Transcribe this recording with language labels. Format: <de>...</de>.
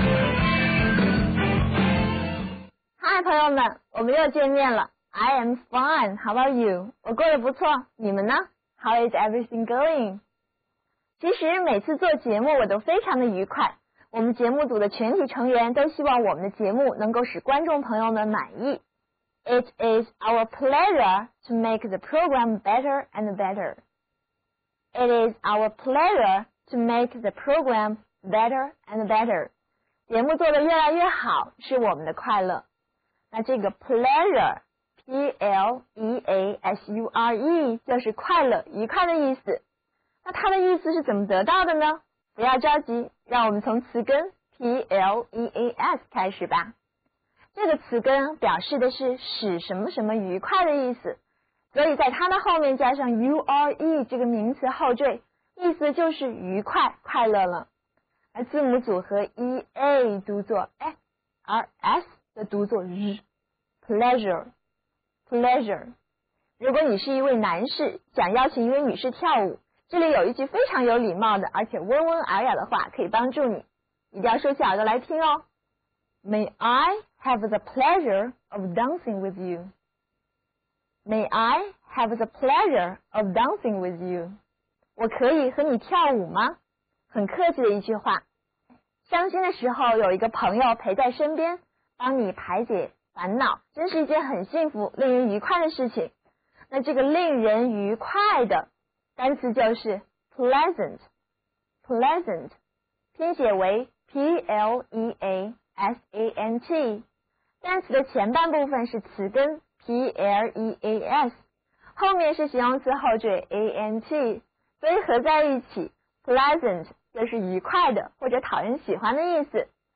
<en>Hi,</en> <zh>朋友们，我们又见面了。</zh> <en>I am fine. How are you?</en> <zh>我过得不错。你们呢？</zh> <en>How is everything going?</en> <zh>其实每次做节目我都非常的愉快。我们节目组的全体成员都希望我们的节目能够使观众朋友们满意。</zh> <en>It is our pleasure to make the program better and better. It is our pleasure to make the program better and better.</en> <zh>节目做得越来越好是我们的快乐。那这个 pleasure, P-L-E-A-S-U-R-E, 就是快乐、愉快的意思。那它的意思是怎么得到的呢？不要着急，让我们从词根 P-L-E-A-S 开始吧。这个词根表示的是使什么什么愉快的意思，所以在它的后面加上 U-R-E 这个名词后缀，意思就是愉快、快乐了。而字母组合 E-A 读作 R-S,读作 z, pleasure, pleasure. 如果你是一位男士，想邀请一位女士跳舞，这里有一句非常有礼貌的，而且温文尔雅的话可以帮助你，一定要竖起耳朵来听哦。</zh> <en>May I have the pleasure of dancing with you? May I have the pleasure of dancing with you?</en> <zh>我可以和你跳舞吗？很客气的一句话。相亲的时候有一个朋友陪在身边，帮你排解烦恼，真是一件很幸福令人愉快的事情。那这个令人愉快的单词就是 pleasant, pleasant, 拼写为 P-L-E-A-S-A-N-T, 单词的前半部分是词根 P-L-E-A-S, 后面是形容词后缀 A-N-T, 所以合在一起 pleasant 就是愉快的或者讨人喜欢的意思。</zh>